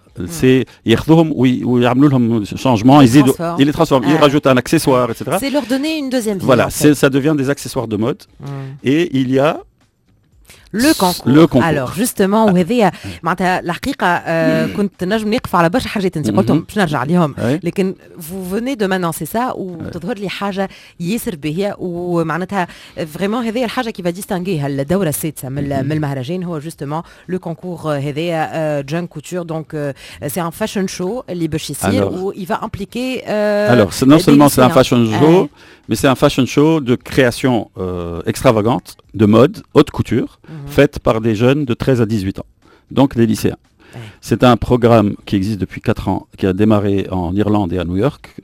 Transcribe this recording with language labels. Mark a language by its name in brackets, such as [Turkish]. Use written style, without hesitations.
[French] C'est [Arabic] yakhdouhom ou yamlouhom [French] changement, ils les transforment, ils rajoutent un accessoire, etc. C'est leur donner une deuxième vie. Voilà, en fait. Ça devient des accessoires de mode. Et il y a Le concours. Le concours. Alors, justement, [Arabic] وهذه معناتها الحقيقة كنت نجم نقف على برشا حاجات انت قلتهم باش نرجع لهم لكن [French] vous venez de m'annoncer ça ou [Arabic] تظهر لي حاجة ياسر باهية ومعناتها vraiment هذه الحاجة كي [French] va distinguer [Arabic] الدورة السادسة من المهرجان هو [French] justement le concours [Arabic] هذايا [French] Junk Couture donc c'est un fashion show [Arabic] اللي باش يصير [French] où il va impliquer Alors, non seulement c'est un fashion show mais c'est un fashion show de création extravagante de mode haute couture faite par des jeunes de 13 à 18 ans, donc des lycéens. C'est un programme qui existe depuis 4 ans, qui a démarré en Irlande et à New York.